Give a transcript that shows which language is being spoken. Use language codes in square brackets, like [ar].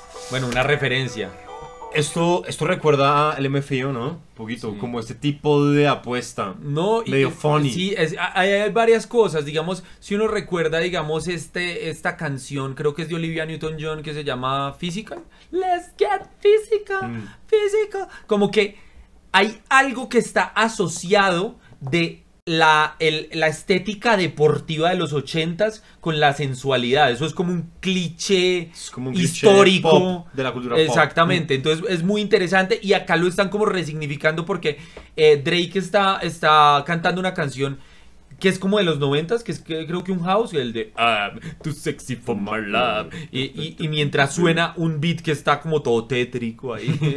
[es] Bueno, una referencia. Esto recuerda al MFIO, ¿no? Un poquito, sí. Como este tipo de apuesta. No, medio [en] funny. [es] Sí, hay varias cosas. Digamos, si uno recuerda, digamos, esta canción, creo que es de Olivia Newton-John, que se llama Physical. [en] Let's get physical, physical. [es] Como que hay algo que está asociado de la estética deportiva de los 80s con la sensualidad. Eso es como un cliché, histórico de la cultura. Exactamente. Entonces es muy interesante, y acá lo están como resignificando, porque Drake está cantando una canción que es como de los 90s, que es creo que un house, el de [en] I'm too sexy for my love, [es] y mientras suena un beat que está como todo tétrico ahí.